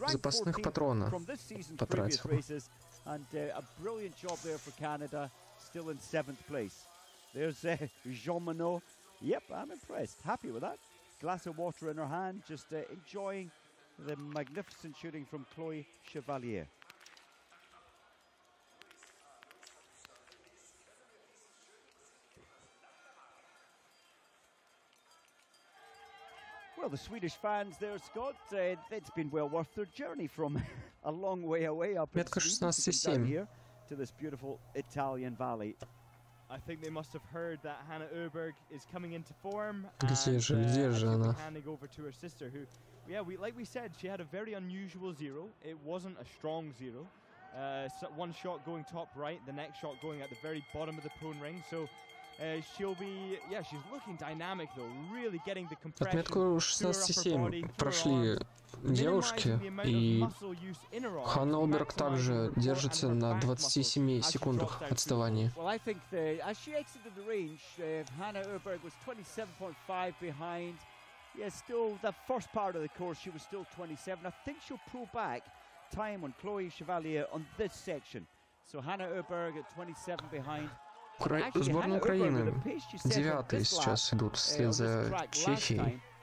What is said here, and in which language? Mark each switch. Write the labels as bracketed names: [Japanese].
[Russian] Запасных патрона потратил. [English] And a brilliant job there for Canada, still in seventh place. There's Jean Monod. Yep, I'm impressed. Happy with that. Glass of water in her hand, just enjoying the magnificent shooting from Chloe Chevalier. Well, the Swedish fans there, Scott, it's been well worth their journey from a long way away up down here to this beautiful Italian valley. I think they must have heard that Hannah Öberg is coming into form. [Russian] Где же она? [English] Handing over to her sister, who, yeah, we like we said, she had a very unusual zero. It wasn't a strong zero. So one shot going top right, the next shot going at the very bottom of the prone ring. So she'll be, yeah, she's looking dynamic though, really getting the compression. [Russian] Отметку 16.7 прошли девушки, и Ханна Оберг также держится на 27 секундах отставания. [English] Well, I think that as she exited the range, Hannah Öberg was 27.5 behind. Yeah, still the first part of the course, she was still 27. I think she'll pull back time on Chloe Chevalier on this section. So Hannah Öberg at 27 behind. [Russian] Сборная Украины, девятые сейчас идут, вслед за Чехией.